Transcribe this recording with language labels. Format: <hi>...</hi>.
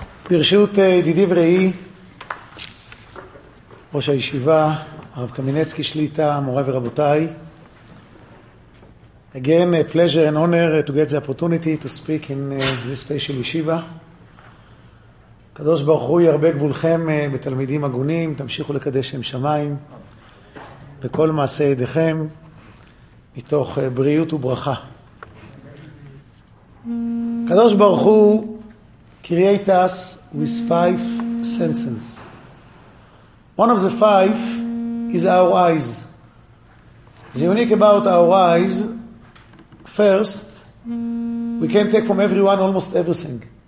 <he>ברשות ידידי וראי, ראש הישיבה, הרב קמינצקי שליטה, מורי ורבותיי,</he> <en>again, a pleasure and honor to get the opportunity to speak in this special yeshiva.</en> <he>קדוש ברוך הוא ירבה גבולכם בתלמידים הגונים, תמשיכו לקדש שם שמיים, בכל מעשה ידיכם, מתוך בריאות וברכה.</he> <en>קדוש ברוך הוא, create us with five senses. One of the five is our eyes. The unique about our eyes, first, we can take from everyone almost everything.</en>